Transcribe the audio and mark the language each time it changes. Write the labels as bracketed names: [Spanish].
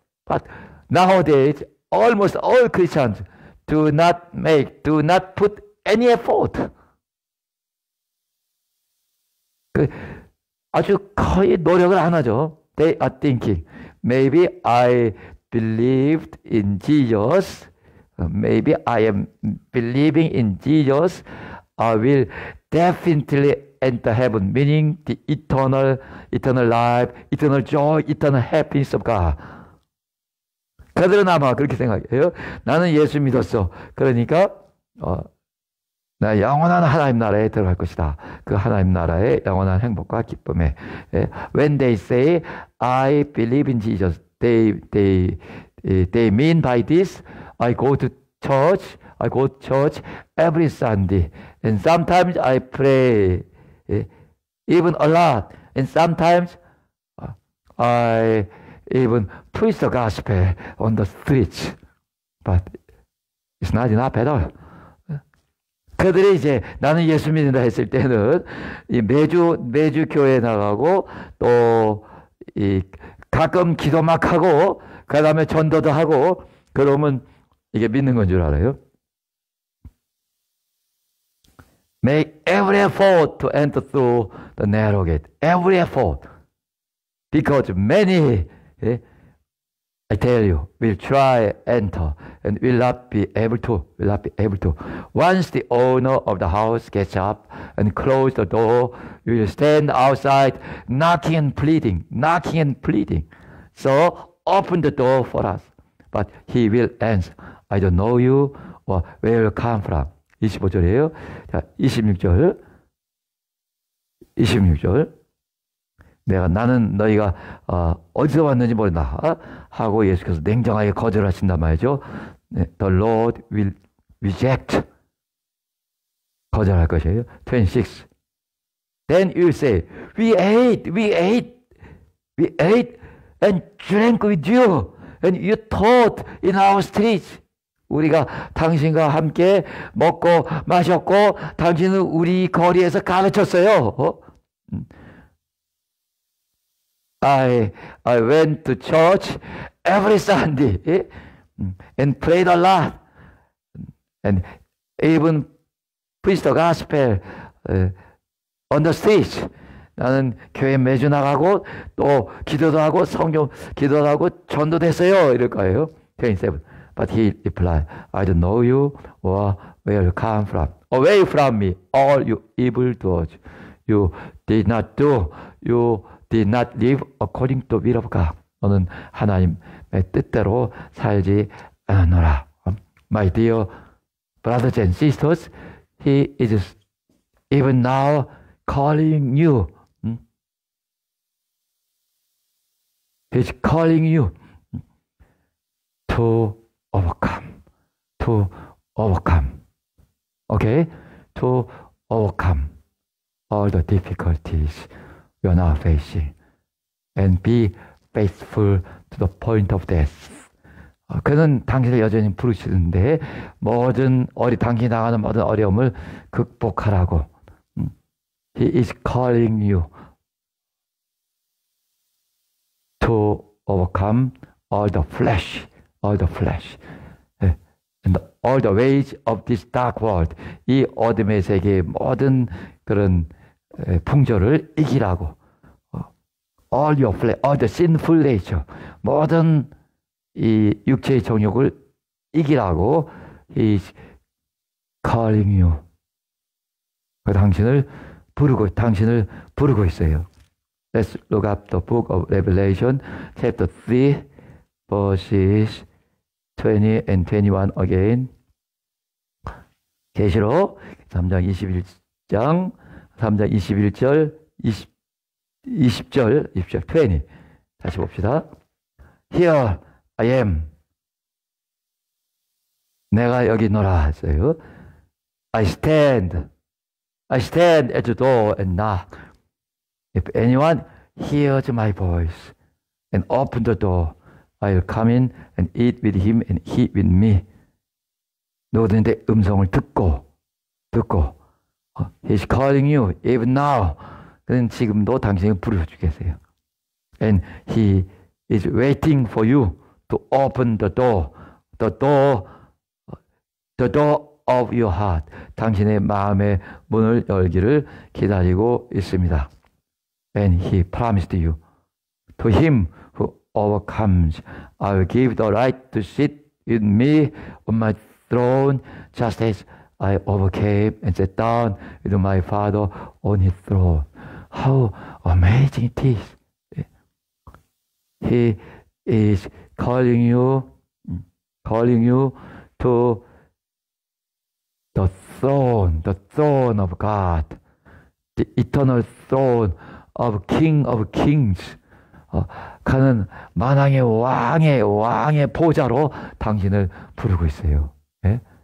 [English] But nowadays, almost all Christians do not put any effort. [Korean] 아주 거의 노력을 안 하죠. [English] They are thinking, maybe I believed in Jesus. Maybe I am believing in Jesus. I will definitely enter heaven, meaning the eternal life, eternal joy, eternal happiness of God. [Korean] 그들은 아마 그렇게 생각해요. 나는 예수 믿었어. 그러니까 나 영원한 하나님 나라에 들어갈 것이다. 그 하나님 나라의 영원한 행복과 기쁨에. 예? [English] When they say I believe in Jesus, they mean by this I go to church. I go to church every Sunday. And sometimes I pray, even a lot. And sometimes I even preach the gospel on the streets. But it's not enough at all. [Korean] 그들이 이제 나는 예수 믿는다 했을 때는 매주 교회 나가고 또 가끔 기도 막 하고 그 다음에 전도도 하고 그러면 이게 믿는 건 줄 알아요? [English] Make every effort to enter through the narrow gate. Every effort. Because many, I tell you, will try enter and will not be able to. Once the owner of the house gets up and close the door, you will stand outside knocking and pleading. So open the door for us. But he will answer, I don't know you or where you come from. [Korean] 25절이에요. 자, 26절. 나는 너희가 어디서 왔는지 모른다 하고 예수께서 냉정하게 거절하신단 말이죠. 네, [English] The Lord will reject. [Korean] 거절할 것이에요. [English] 26. Then you say, We ate and drank with you, and you taught in our streets. [Korean] 우리가 당신과 함께 먹고 마셨고 당신은 우리 거리에서 가르쳤어요. [English] I went to church every Sunday and prayed a lot and even preached the gospel on the streets. [Korean] 나는 교회 매주 나가고 또 기도도 하고 성경 기도도 하고 전도도 했어요. 이럴 거예요. 27. [English] But he replied, I don't know you or where you come from. Away from me, all you evil doers. You did not do, you did not live according to the will of God. [Korean] 너는 하나님의 뜻대로 살지 않았노라. [English] My dear brothers and sisters, he is even now calling you. He's calling you to overcome. Okay? To overcome. all the difficulties you are now facing and be faithful to the point of death. [Korean] 그는 당신을 여전히 부르시는데 모든 어리 당신이 당하는 모든 어려움을 극복하라고. [English] He is calling you to overcome all the flesh, all the flesh, and all the ways of this dark world. [Korean] 이 어둠의 세계의 모든 그런 풍조를 이기라고. [English] All your flesh, all the sinful nature, [Korean] 모든 이 육체의 정욕을 이기라고 [English] He is calling you. [Korean] 그 당신을 부르고 있어요. [English] Let's look up the book of Revelation, chapter 3, verses 20 and 21 again. [Korean] 계시록 3장 21장, 3장 21절, 20절, 20. 다시 봅시다. [English] Here I am. [Korean] 내가 여기 있노라 했어요. [English] I stand at the door and knock. If anyone hears my voice and open the door, I'll come in and eat with him and he with me. [Korean] 누구든지 내 음성을 듣고. [English] He's calling you even now. [Korean] 그는 지금도 당신을 부르시겠어요. [English] And he is waiting for you to open the door. The door of your heart. [Korean] 당신의 마음의 문을 열기를 기다리고 있습니다. [English] And he promised you, to him who overcomes, I will give the right to sit with me on my throne, just as I overcame and sat down with my father on his throne. How amazing it is. He is calling you to the throne of God, the eternal throne, of King of Kings, [Korean] 가는 만왕의 왕의 보좌로 당신을 부르고 있어요. 예?